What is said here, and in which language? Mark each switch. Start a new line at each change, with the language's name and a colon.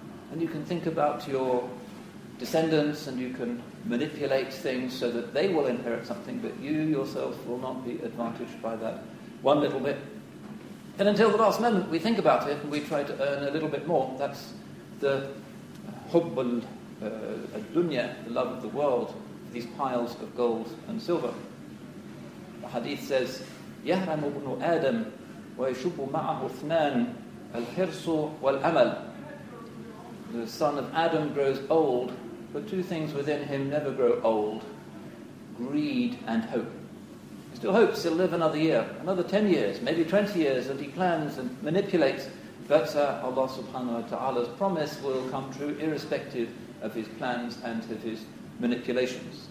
English: And you can think about your descendants, and you can manipulate things so that they will inherit something, but you yourself will not be advantaged by that one little bit. And until the last moment, we think about it, and we try to earn a little bit more. That's the hubb al-dunya, the love of the world, these piles of gold and silver. The hadith says,
Arabic: يَهْرَمُ ابْنُ آدَمُ وَيَشُبُّ مَعَهُ اثْنَانُ الْحِرْصُ وَالْأَمَلُ.
English: The son of Adam grows old, but two things within him never grow old: greed and hope. He still hopes he'll live another year, another 10 years, maybe 20 years, and he plans and manipulates, but Allah subhanahu wa ta'ala's promise will come true irrespective of his plans and of his manipulations.